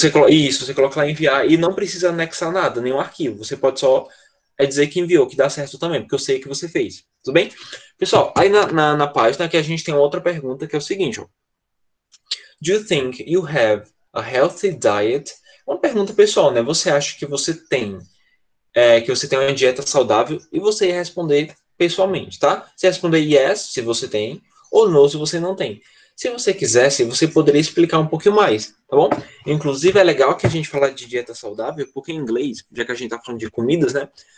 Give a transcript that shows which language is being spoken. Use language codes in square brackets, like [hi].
[pt] Isso, você coloca lá em enviar e não precisa anexar nada, nenhum arquivo. Você pode só dizer que enviou, que dá certo também, porque eu sei que você fez. Tudo bem? Pessoal, aí na página que a gente tem outra pergunta, que é o seguinte, ó. [en] Do you think you have a healthy diet? [pt] Uma pergunta pessoal, né? Você acha que você tem uma dieta saudável? E você ia responder pessoalmente, tá? Você ia responder yes, se você tem, ou no, se você não tem. Se você quisesse, você poderia explicar um pouquinho mais, tá bom? Inclusive, é legal que a gente fala de dieta saudável, porque em inglês, já que a gente tá falando de comidas, né?